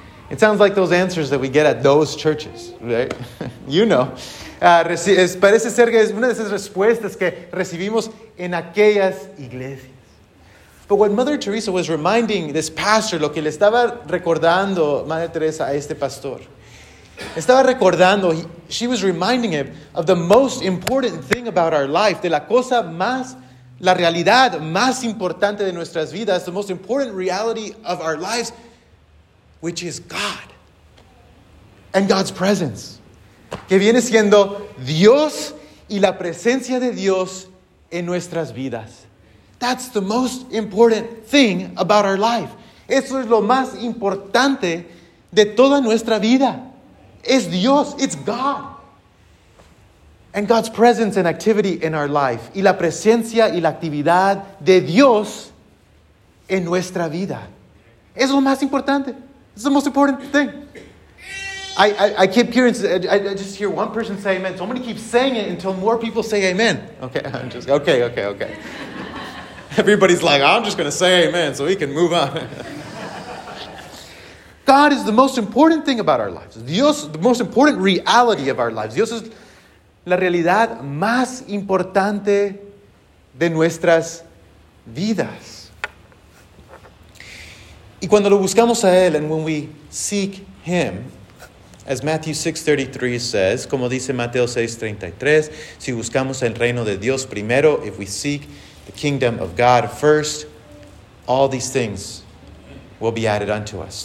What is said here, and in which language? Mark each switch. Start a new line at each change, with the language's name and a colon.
English: It sounds like those answers that we get at those churches, right? You know.
Spanish: Parece ser que es una de esas respuestas que recibimos en aquellas iglesias.
English: But what Mother Teresa was reminding this pastor,
Spanish: lo que le estaba recordando Madre Teresa a este pastor, estaba recordando,
English: she was reminding him of the most important thing about our life,
Spanish: de la cosa más, la realidad más importante de nuestras vidas,
English: the most important reality of our lives, which is God and God's presence.
Spanish: Que viene siendo Dios y la presencia de Dios en nuestras vidas.
English: That's the most important thing about our life.
Spanish: Eso es lo más importante de toda nuestra vida. Es Dios,
English: it's God. And God's presence and activity in our life.
Spanish: Y la presencia y la actividad de Dios en nuestra vida. Es lo más importante.
English: It's the most important thing. I keep hearing, I just hear one person say amen. Somebody keeps saying it until more people say amen. Okay, I'm just, okay. Everybody's like, I'm just going to say amen so we can move on. God is the most important thing about our lives. Dios, the most important reality of our lives.
Spanish: Dios es la realidad más importante de nuestras vidas. Y cuando lo buscamos a Él,
English: and when we seek Him, as Matthew 6:33 says,
Spanish: como dice Mateo 6:33, si buscamos el reino de Dios primero,
English: if we seek the kingdom of God first, all these things will be added unto us.